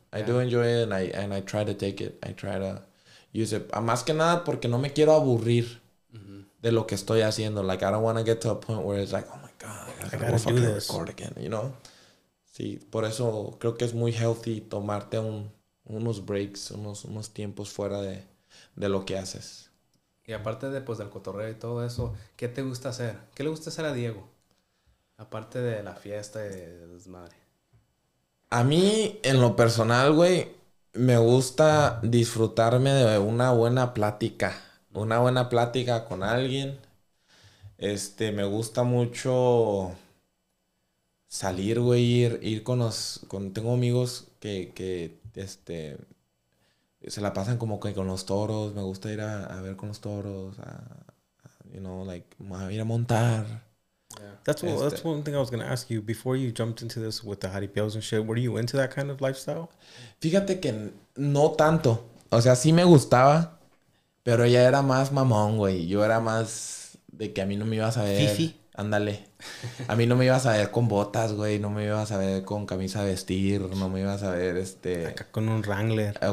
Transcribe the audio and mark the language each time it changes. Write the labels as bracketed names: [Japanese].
[English] I do enjoy it and I try to take it. I try to use it. [Spanish] Más que nada porque no me quiero aburrir de lo que estoy haciendo. [English] Like, I don't want to get to a point where it's like, oh my God, I gotta do this. Record again, you know? [Spanish] Sí, por eso creo que es muy healthy tomarte unos breaks, unos tiempos fuera de lo que haces. Y aparte de, pues, del cotorreo y todo eso, ¿qué te gusta hacer? ¿Qué le gusta hacer a Diego? Aparte de la fiesta y de desmadre. A mí, en lo personal, güey, me gusta disfrutarme de una buena plática. Una buena plática con alguien. Me gusta mucho... Salir, güey, ir con los... Tengo amigos que se la pasan como que con los toros. Me gusta ir a ver con los toros, a ir a montar. [English] Yeah. That's one thing I was going to ask you. Before you jumped into this with the jaripeos and shit, were you into that kind of lifestyle? [Spanish] Fíjate que no tanto. O sea, sí me gustaba, pero ella era más mamón, güey. Yo era más de que a mí no me ibas a ver. Fifi. Ándale. A mí no me ibas a ver con botas, güey. No me ibas a ver con camisa de vestir. No me ibas a ver, acá con un Wrangler.